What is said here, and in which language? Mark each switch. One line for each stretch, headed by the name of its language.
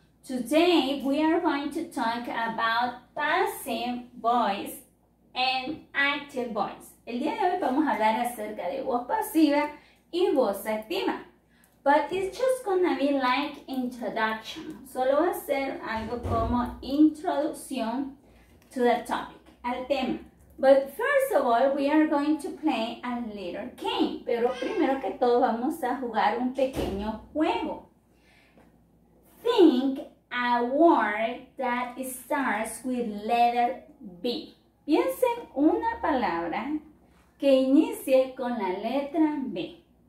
English: Today we are going to talk about passive voice and active voice.
Spanish: El día de hoy vamos a hablar acerca de voz pasiva y voz activa.
English: But it's just gonna be like introduction.
Spanish: Solo va a ser algo como introducción
English: to the topic,
Spanish: al tema.
English: But first of all, we are going to play a little game.
Spanish: Pero primero que todo, vamos a jugar un pequeño juego.
English: Think a word that starts with letter B.
Spanish: Piensen una palabra que inicie con la letra B.